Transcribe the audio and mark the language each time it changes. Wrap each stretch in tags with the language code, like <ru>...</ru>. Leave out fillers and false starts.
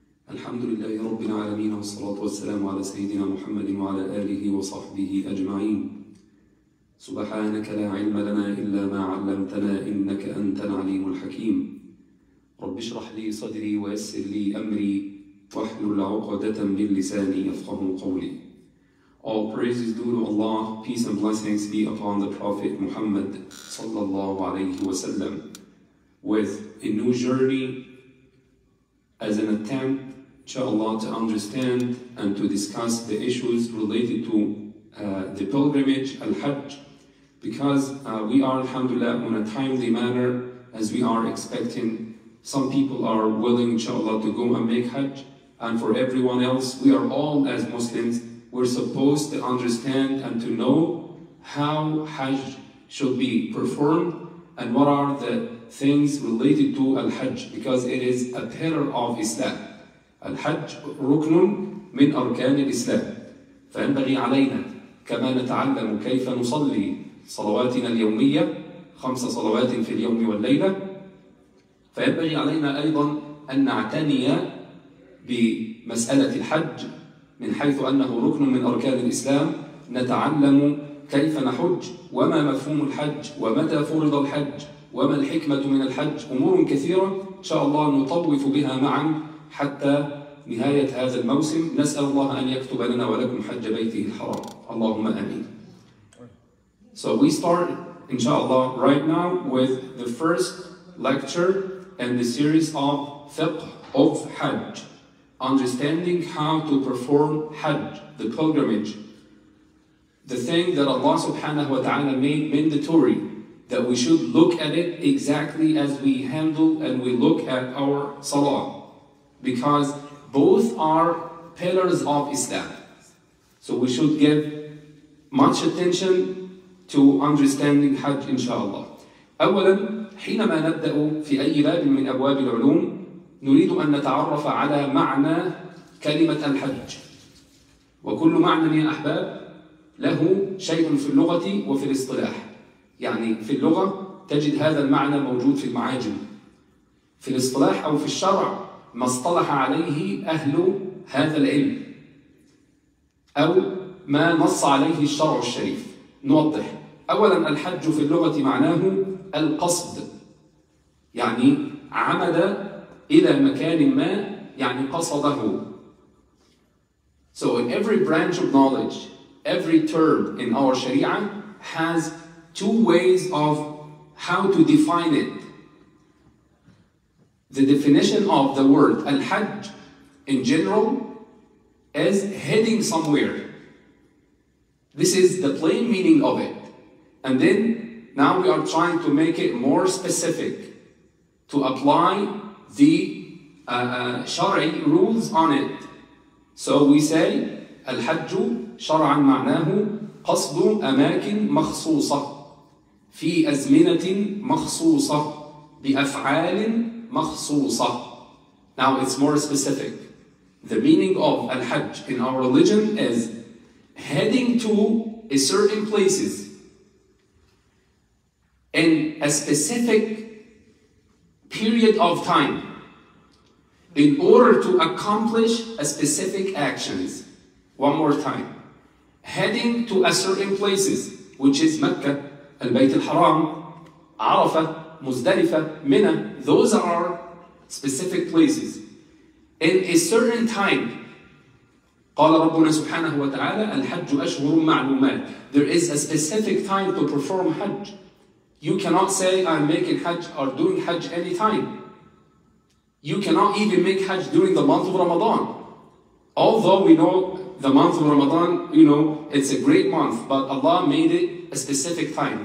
<ar>الحمد لله رب العالمين، والصلاة والسلام على سيدنا محمد وعلى آله وصحبه أجمعين. سبحانك لا علم لنا إلا ما علمتنا، إنك أنت العليم الحكيم. رب اشرح لي صدري ويسر لي أمري واحلل عقدة من لساني يفقه قولي.</ar> <en>All praises due to Allah, peace and blessings be upon the Prophet Muhammad</en> <ar>صلى الله عليه وسلم.</ar> <en>With a new journey as an attempt, inshallah, to understand and to discuss the issues related to the pilgrimage, Al-Hajj, because we are, alhamdulillah, in a timely manner, as we are expecting. Some people are willing, inshallah, to go and make Hajj, and for everyone else, we are all, as Muslims, we're supposed to understand and to know how Hajj should be performed and what are the things related to Al-Hajj, because it is a pillar of Islam.</en> <ar>Al-Hajj ruknun min arkan al-Islam. فينبغي علينا كما نتعلم كيف نصلي صلواتنا اليومية خمس صلوات في اليوم والليلة، فينبغي علينا أيضا أن نعتني بمسألة الحج من حيث أنه ركن من أركان الإسلام. نتعلم كيف نحج، وما مفهوم الحج، ومتى فرض الحج، وما الحكمة من الحج. أمور كثيرة إن شاء الله نطوف بها معا حتى نهاية هذا الموسم. نسأل الله أن يكتب لنا ولكم حج بيته الحرام، اللهم أمين.</ar> <en>So we start</en> <ar>إن شاء الله</ar> <en>right now with the first lecture in the series of Fiqh of Hajj, understanding how to perform Hajj, the pilgrimage, the thing that Allah subhanahu wa ta'ala made mandatory, that we should look at it exactly as we handle and we look at our salah, because both are pillars of Islam. So we should give much attention to understanding Hajj inshallah.</en> <ar>أولا حينما نبدأ في أي باب من أبواب العلوم نريد أن نتعرف على معنى كلمة الحج، وكل معنى يا أحباب له شيء في اللغة وفي الاصطلاح. يعني في اللغة تجد هذا المعنى موجود في المعاجم، في الاصطلاح أو في الشرع ما اصطلح عليه أهل هذا العلم أو ما نص عليه الشرع الشريف. نوضح أولا، الحج في اللغة معناه القصد، يعني عمد إلى مكان ما، يعني قصده.</ar> <en>So in every branch of knowledge, every term in our Sharia has two ways of how to define it. The definition of the word al-hajj in general is heading somewhere. This is the plain meaning of it. And then now we are trying to make it more specific to apply the شرعي rules on it. So we say</en> <ar>الحج شرعا معناه قصد أماكن مخصوصة في أزمنة مخصوصة بأفعال مخصوصة.</ar> <en>Now it's more specific. The meaning of الحج in our religion is heading to a certain places in a specific period of time in order to accomplish a specific actions. One more time. Heading to a certain places, which is Mecca, Al-Bayt al-Haram, Arafah, Muzdalifah, Mina, those are specific places. In a certain time,</en> <ar>قال ربنا سبحانه وتعالى الحج أشهر معلومات.</ar> <en>There is a specific time to perform Hajj. You cannot say I'm making Hajj or doing Hajj anytime. You cannot even make Hajj during the month of Ramadan. Although we know the month of Ramadan, you know, it's a great month, but Allah made it a specific time.</en>